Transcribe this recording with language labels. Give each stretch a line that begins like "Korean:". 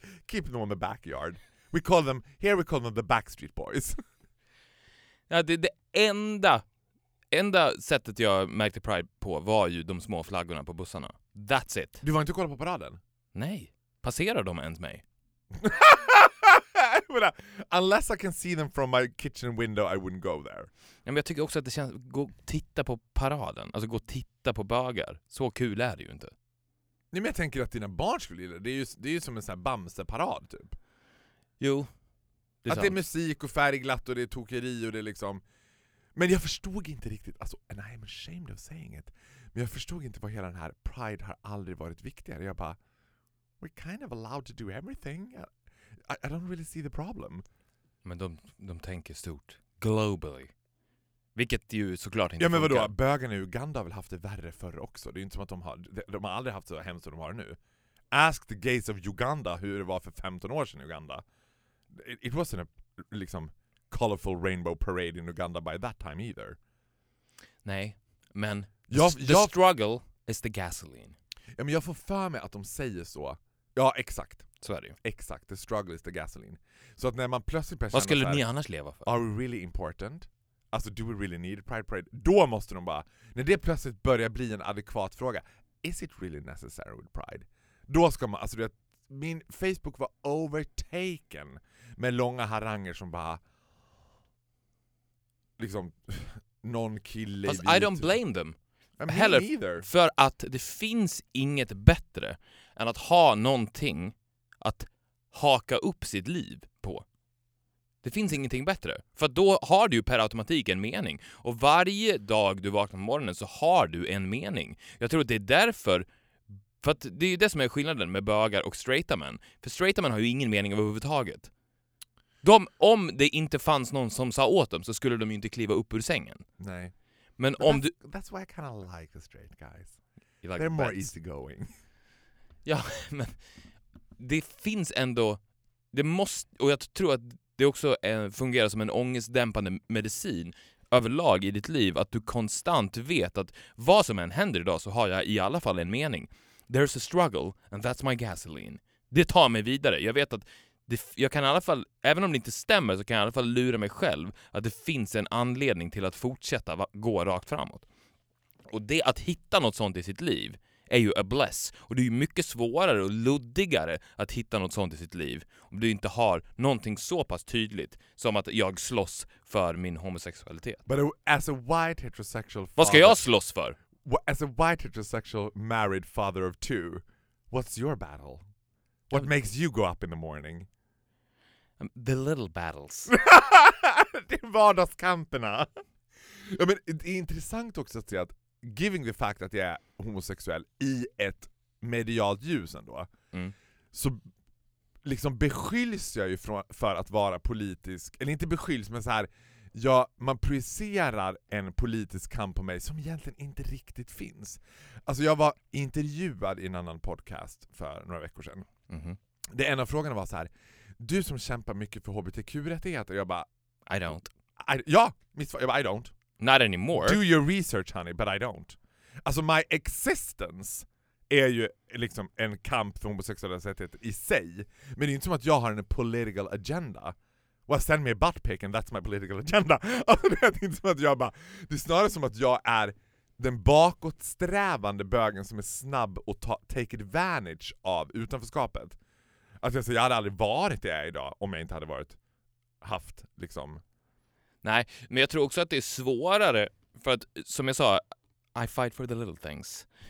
English: Keep them on the backyard. We call them, here we call them the Backstreet Boys.
Swedish: Ja, det är det enda... Enda sättet jag märkte Pride på var ju de små flaggorna på bussarna.
English: That's it.
Swedish: Du var inte kolla på paraden? Nej. Passerar de ens mig?
English: Men, unless I can see them from my kitchen window, I wouldn't go there.
Swedish: Ja, men jag tycker också att det känns, gå titta på paraden, alltså gå och titta på bögar. Så kul är det ju inte. Nej, men jag tänker att dina barn skulle gilla det. Det är ju som en sån här Bamse-parad typ. Jo. Det att det är musik och färgglatt och det är tokeri och det är liksom... Men jag förstod inte riktigt, alltså,
English: and I am ashamed of saying it,
Swedish: men jag förstod inte vad hela den här Pride har aldrig varit viktigare. Jag bara,
English: we're kind of allowed to do everything. I don't really see the problem.
Swedish: Men de tänker stort. Globally. Vilket ju såklart inte funkar. Ja, men vadå? Bögarna i Uganda har väl haft det värre förr också. Det är inte som att de har aldrig haft så hemskt som de har nu.
English: Ask the gays of Uganda
Swedish: hur det var för 15 år sedan i Uganda.
English: It wasn't a
Swedish: liksom,
English: colorful rainbow parade in Uganda by that time either.
Swedish: Nej, men
English: the struggle is the gasoline.
Swedish: Ja, men jag får för mig att de säger så. Ja, exakt. Så är det ju. Exakt,
English: the struggle is the gasoline.
Swedish: Så att när man plötsligt vad skulle ni annars leva för?
English: Are we really important?
Swedish: Alltså,
English: do we really need a pride parade?
Swedish: Då måste de bara, när det plötsligt börjar bli en adekvat fråga,
English: is it really necessary with pride?
Swedish: Då ska man, alltså det, min Facebook var
English: overtaken
Swedish: med långa haranger som bara liksom någon kille. Fast
English: I don't blame them. I mean,
Swedish: heller,
English: neither.
Swedish: För att det finns inget bättre än att ha någonting att haka upp sitt liv på. Det finns ingenting bättre. För då har du ju per automatik en mening. Och varje dag du vaknar på morgonen så har du en mening. Jag tror att det är därför, för att det är ju det som är skillnaden med bögar och straighta män. För straighta män har ju ingen mening överhuvudtaget. De, om det inte fanns någon som sa åt dem så skulle de ju inte kliva upp ur sängen. Nej. Men
English: that's,
Swedish: om du...
English: That's why I kind of like the straight guys. Like they're more easygoing.
Swedish: Ja, men det finns ändå... Det måste... Och jag tror att det också fungerar som en ångestdämpande medicin överlag i ditt liv. Att du konstant vet att vad som än händer idag så har jag i alla fall en mening.
English: There's a struggle and that's my gasoline.
Swedish: Det tar mig vidare. Jag vet att jag kan i alla fall, även om det inte stämmer, så kan jag i alla fall lura mig själv att det finns en anledning till att fortsätta gå rakt framåt. Och det att hitta något sånt i sitt liv är ju
English: a bless.
Swedish: Och det är ju mycket svårare och luddigare att hitta något sånt i sitt liv om du inte har någonting så pass tydligt som att jag slåss för min homosexualitet.
English: But as a white heterosexual father,
Swedish: vad ska jag slåss för?
English: As a white heterosexual married father of two, what's your battle? What makes you go up in the morning? The little battles.
Swedish: Det är vardagskamperna. Ja, men det är intressant också att se att
English: given the fact
Swedish: att jag är homosexuell i ett medialt ljus ändå, så liksom beskylls jag ju för att vara politisk. Eller inte beskylls, men så här, ja, man projicerar en politisk kamp på mig som egentligen inte riktigt finns. Alltså jag var intervjuad i en annan podcast för några veckor sedan. Mm-hmm. Det ena frågan var så här: du som kämpar mycket för hbtq-rättigheter. Jag bara,
English: I don't. I don't. Not anymore. Do your research, honey, but I don't.
Swedish: Alltså
English: my existence
Swedish: är ju liksom en kamp för homosexuella rättigheter i sig. Men det är inte som att jag har en
English: political agenda. Well, send me a butt pick and that's my political agenda.
Swedish: Det är inte som att jag bara, det är snarare som att jag är den bakåtsträvande bögen som är snabb och
English: take advantage
Swedish: av utanförskapet. Att alltså, jag hade aldrig varit det jag är idag om jag inte hade varit haft liksom. Nej, men jag tror också att det är svårare för att, som jag sa,
English: I fight for the little things.